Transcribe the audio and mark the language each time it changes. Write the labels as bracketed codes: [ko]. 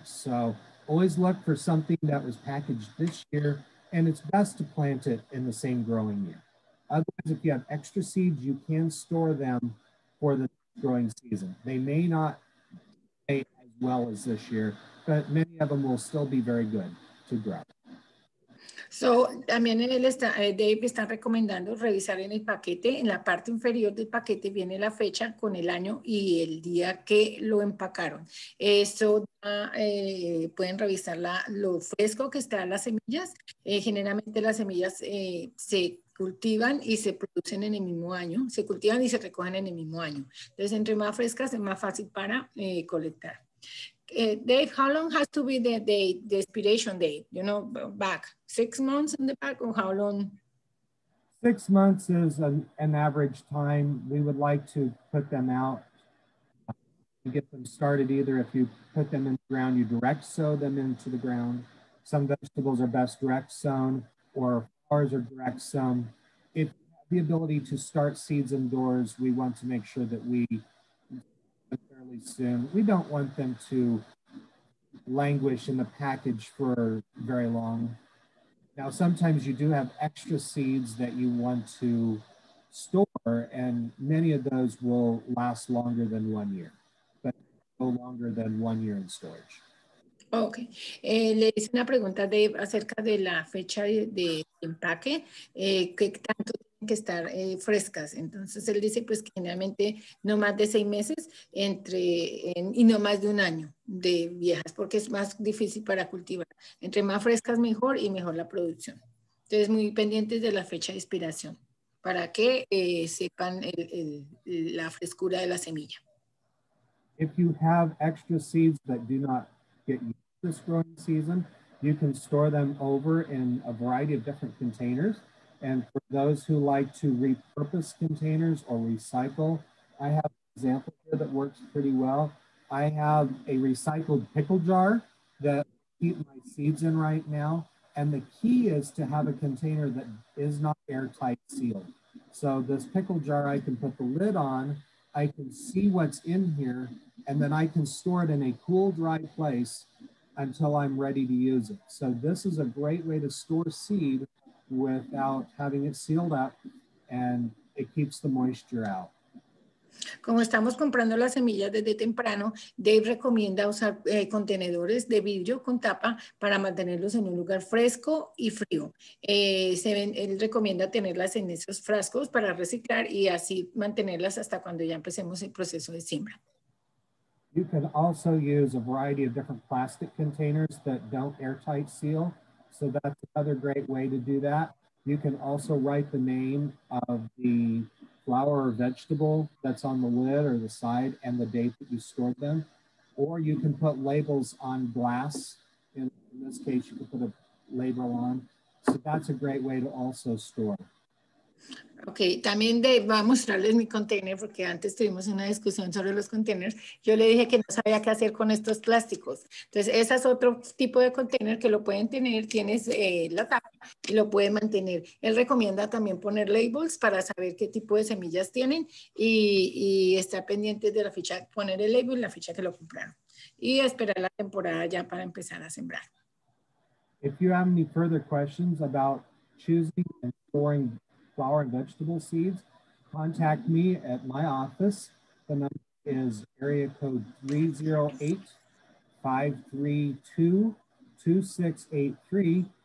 [en] So always look for something that was packaged this year. And it's best to plant it in the same growing year. Otherwise, if you have extra seeds, you can store them for the growing season. They may not stay as well as this year, but many of them will still be very good to grow. [es] So, también en el Dave están recomendando revisar en el paquete, en la parte inferior del paquete viene la fecha con el año y el día que lo empacaron. Eso pueden revisar lo fresco que están las semillas. Generalmente las semillas se cultivan y se producen en el mismo año, se cultivan y se recogen en el mismo año. Entonces, entre más frescas es más fácil para colectar. [en] Dave, how long has to be the expiration date? You know, back 6 months in the back, or how long? 6 months is an average time. We would like to put them out and get them started. Either if you put them in the ground, you direct sow them into the ground. Some vegetables are best direct sown, or flowers are direct sown. If you have the ability to start seeds indoors, we want to make sure that we soon. We don't want them to languish in the package for very long. Now, sometimes you do have extra seeds that you want to store, and many of those will last longer than 1 year, but no longer than 1 year in storage. Okay. [es] Le hice una pregunta de acerca de la fecha de empaque. ¿Qué tanto que estar frescas? Entonces él dice pues generalmente no más de 6 meses y no más de un año de viejas, porque es más difícil para cultivar. Entre más frescas mejor, y mejor la producción. Entonces muy pendientes de la fecha de expiración para que sepan la frescura de la semilla. [en] If you have extra seeds that do not get used this growing season, you can store them over in a variety of different containers. And for those who like to repurpose containers or recycle, I have an example here that works pretty well. I have a recycled pickle jar that I keep my seeds in right now. And the key is to have a container that is not airtight sealed. So this pickle jar, I can put the lid on, I can see what's in here, and then I can store it in a cool, dry place until I'm ready to use it. So this is a great way to store seed without having it sealed up, and it keeps the moisture out. [es] Como estamos comprando las semillas desde temprano, Dave recomienda usar contenedores de vidrio con tapa para mantenerlos en un lugar fresco y frío. Él recomienda tenerlas en esos frascos para reciclar y así mantenerlas hasta cuando ya empecemos el proceso de siembra. [en] You can also use a variety of different plastic containers that don't airtight seal. So that's another great way to do that. You can also write the name of the flower or vegetable that's on the lid or the side and the date that you stored them. Or you can put labels on glass. In this case, you can put a label on. So that's a great way to also store. [es] Okay, también Dave va a mostrarles mi container, porque antes tuvimos una discusión sobre los containers. Yo le dije que no sabía qué hacer con estos plásticos. Entonces, ese es otro tipo de container que lo pueden tener, tienes la tapa y lo pueden mantener. Él recomienda también poner labels para saber qué tipo de semillas tienen y estar pendientes de la fecha, poner el label y la fecha que lo compraron. Y esperar la temporada ya para empezar a sembrar. [en] If you have any further questions about choosing and storing flower and vegetable seeds, contact me at my office. The number is area code 308-532-2683.